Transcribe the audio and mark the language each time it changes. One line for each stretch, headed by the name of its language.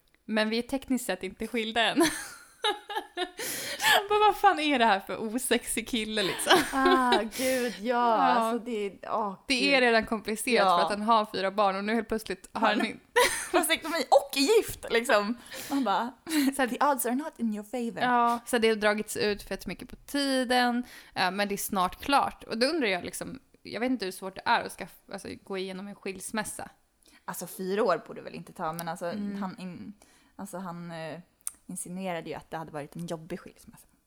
Swedish: Men vi är tekniskt sett inte skilda än. Men vad fan är det här för osexig kille liksom? Ah, gud, ja. Alltså, det, det är redan komplicerat för att han har 4 barn och nu helt plötsligt har han en vasektomi och är gift liksom. Man bara,
English: the odds are not in your favor.
Swedish: Ja, så det har dragits ut för ett mycket på tiden, men det är snart klart. Och då undrar jag liksom, jag vet inte hur svårt det är att gå igenom en skilsmässa. Alltså 4 år borde väl inte ta, men alltså han insinuerade ju att det hade varit en jobbig skilsmässa.